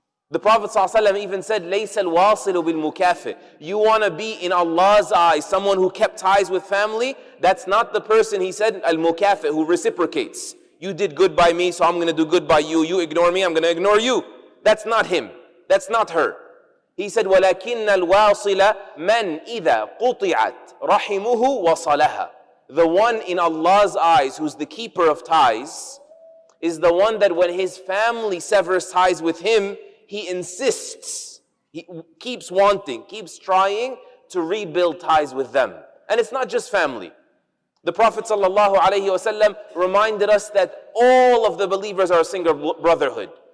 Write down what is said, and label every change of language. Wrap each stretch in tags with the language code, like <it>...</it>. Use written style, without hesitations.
<en>The Prophet ﷺ even said,</en> <ar>لَيْسَ الْوَاصِلُ بِالْمُكَافِئِ.</ar> <en>You want to be in Allah's eyes, someone who kept ties with family? That's not the person, he said, المكافئ, who reciprocates. You did good by me, so I'm going to do good by you. You ignore me, I'm going to ignore you. That's not him. That's not her. He said,</en> <ar>وَلَكِنَّ الْوَاصِلَ مَنْ إِذَا قُطِعَتْ رَحِمُهُ وَصَلَهَا.</ar> <en>The one in Allah's eyes who's the keeper of ties is the one that when his family severs ties with him, he insists, he keeps wanting, keeps trying to rebuild ties with them. And it's not just family. The Prophet ﷺ reminded us that all of the believers are a single brotherhood.</en>